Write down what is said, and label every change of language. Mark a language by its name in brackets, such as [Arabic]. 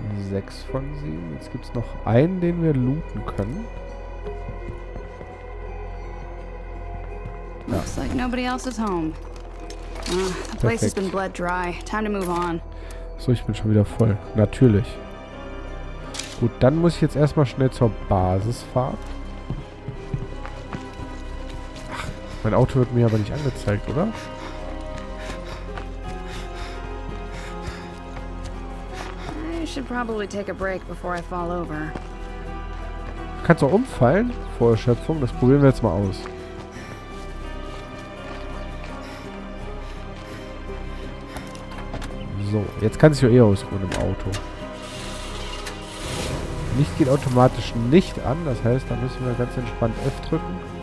[German] Sechs von sieben. Jetzt gibt es noch einen, den wir looten können. [English] Looks like nobody else is home. The place has been bled dry. Time to move on. [German] So, ich bin schon wieder voll. Natürlich. Gut, dann muss ich jetzt erstmal schnell zur Basis fahren. Ach, mein Auto wird mir aber nicht angezeigt, oder? [English] I should probably take a break before I fall over. [German] Kannst du auch umfallen vor Erschöpfung? Das probieren wir jetzt mal aus. So, jetzt kann es sich ja eh ausruhen im Auto. Licht geht automatisch nicht an, das heißt, da müssen wir ganz entspannt F drücken.